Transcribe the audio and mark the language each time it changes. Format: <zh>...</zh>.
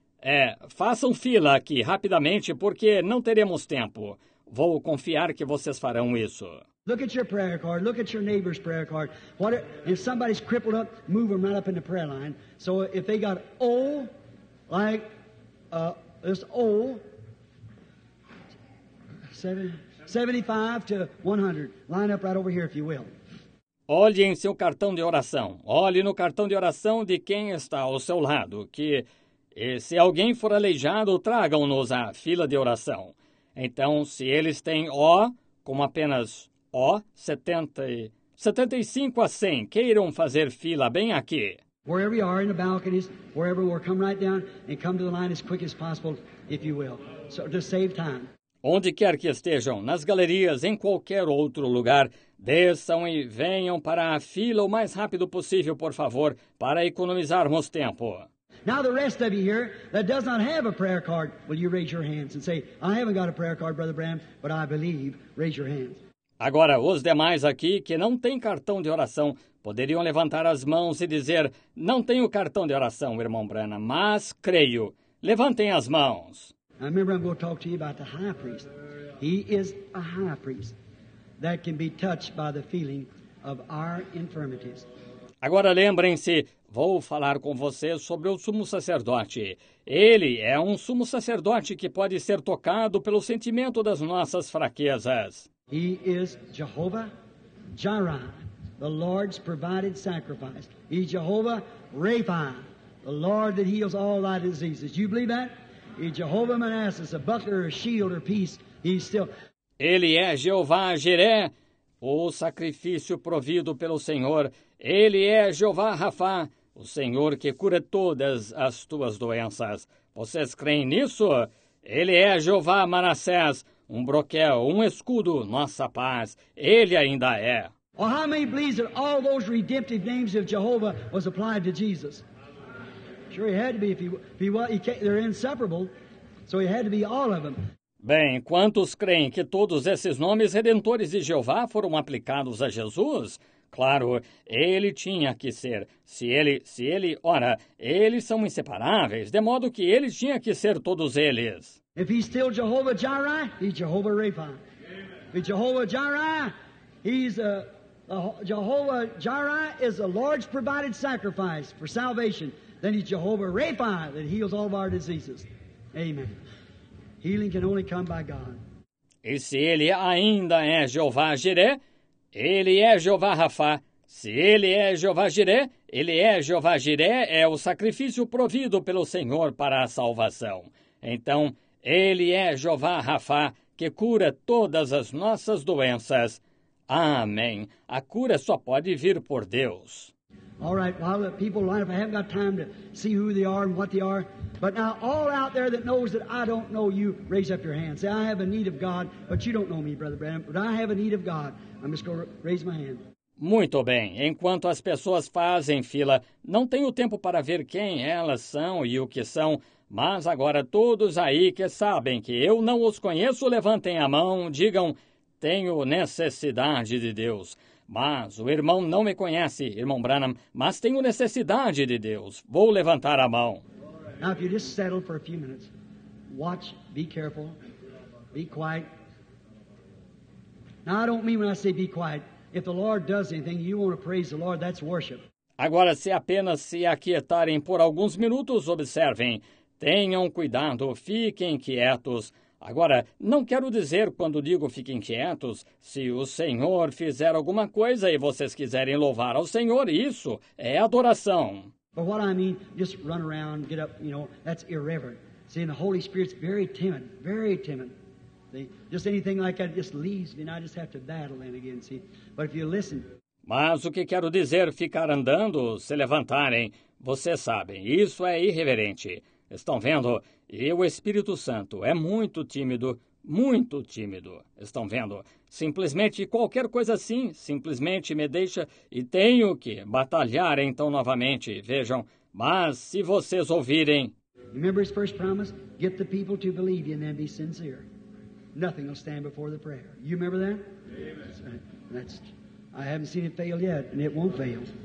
<pt>É, façam fila aqui rapidamente, porque não teremos tempo. Vou confiar que vocês farão isso.</pt> <en>Look at your prayer card. Look at your neighbor's prayer card. What if somebody's crippled up, move them right up in the prayer line. So if they got O, like this O, 75 to 100. Line up right over here, if you will.</en> <pt>Olhe em seu cartão de oração. Olhe no cartão de oração de quem está ao seu lado. Que, e se alguém for aleijado, tragam-nos à fila de oração. Então, se eles têm O, como apenas O, 75 a 100, queiram fazer fila bem aqui.</pt> <en>Wherever you are in the balconies, wherever we're, come right down and come to the line as quick as possible, if you will. So to save time.</en> <pt>Onde quer que estejam, nas galerias, em qualquer outro lugar, desçam e venham para a fila o mais rápido possível, por favor, para economizarmos tempo.</pt> <en>Now the rest of you here that does not have a prayer card, will you raise your hands and say, I haven't got a prayer card, Brother Bram, but I believe, raise your hands.</en> <pt>Agora, os demais aqui que não têm cartão de oração poderiam levantar as mãos e dizer, não tenho cartão de oração, irmão Branham, mas creio. Levantem as mãos.</pt> <en>I remember I'm going to talk to you about the high priest. He is a high priest that can be touched by the feeling of our infirmities.</en> <pt>Agora lembrem-se, vou falar com vocês sobre o sumo sacerdote. Ele é um sumo sacerdote que pode ser tocado pelo sentimento das nossas fraquezas.</pt> <en>He is Jehovah Jireh, the Lord's provided sacrifice. He is Jehovah Rapha, the Lord that heals all thy diseases. Do you believe that? He is Jehovah Manasseh, a buckler, a shield, or peace. He's still.</en> <pt>Ele é Jeová Jireh, o sacrifício provido pelo Senhor. Ele é Jeová Rafá, o Senhor que cura todas as tuas doenças. Vocês creem nisso? Ele é Jeová Manassés, um broquel, um escudo, nossa paz. Ele ainda é.</pt> <en>Well, how many believes that all those redemptive names of Jehovah was applied to Jesus? Sure, he had to be. They're inseparable, so he had to be all of them.</en> <pt>Bem, quantos creem que todos esses nomes redentores de Jeová foram aplicados a Jesus? Claro, ele tinha que ser. Ora, eles são inseparáveis, de modo que ele tinha que ser todos eles.</pt> <en>If he's still Jehovah Jireh, he's Jehovah Rapha. Amen. If he's Jehovah Jireh, he's Jehovah Jireh is the Lord's provided sacrifice for salvation. Then he's Jehovah Rapha that heals all of our diseases. Amen. Healing can only come by God.</en> <pt>E se ele ainda é Jeová Jireh, ele é Jeová Rafá. Se ele é Jeová Jireh, ele é Jeová Jireh, é o sacrifício provido pelo Senhor para a salvação. Então, ele é Jeová Rafá, que cura todas as nossas doenças. Amém. A cura só pode vir por Deus.</pt> <en>All right, well, people line up. I haven't got time to see who they are and what they are. But now, all out there that knows that I don't know you, raise up your hand. Say, I have a need of God, but you don't know me, Brother Branham, but I have a need of God. I'm just going to raise my hand.</en> <pt>Muito bem. Enquanto as pessoas fazem fila, não tenho tempo para ver quem elas são e o que são, mas agora todos aí que sabem que eu não os conheço, levantem a mão, digam, tenho necessidade de Deus. Mas o irmão não me conhece, irmão Branham, mas tenho necessidade de Deus. Vou levantar a mão.</pt> <en>Now, if you just settle for a few minutes, watch, be careful, be quiet. Now, I don't mean when I say be quiet. If the Lord does anything, you want to praise the Lord, that's worship.</en> <pt>Agora, se apenas se aquietarem por alguns minutos, observem. Tenham cuidado, fiquem quietos. Agora, não quero dizer quando digo fiquem quietos, se o Senhor fizer alguma coisa e vocês quiserem louvar ao Senhor, isso é adoração.</pt> <en>But what I mean, just run around, get up, you know, that's irreverent. See, and the Holy Spirit's very timid, very timid. See, just anything like that just leaves me, and I just have to battle in again, see. But if you listen.</en> <pt>Mas o que quero dizer, ficar andando, se levantarem, vocês sabem, isso é irreverente. Estão vendo? E o Espírito Santo é muito tímido, muito tímido. Estão vendo? Simplesmente qualquer coisa assim, simplesmente me deixa e tenho que batalhar então novamente. Vejam, mas se vocês ouvirem...</pt> <en>Remember his first promise? Get the people to believe you and then be sincere. Nothing will stand before the prayer. You remember that? Amen. I haven't seen it fail yet, and it won't fail.</en>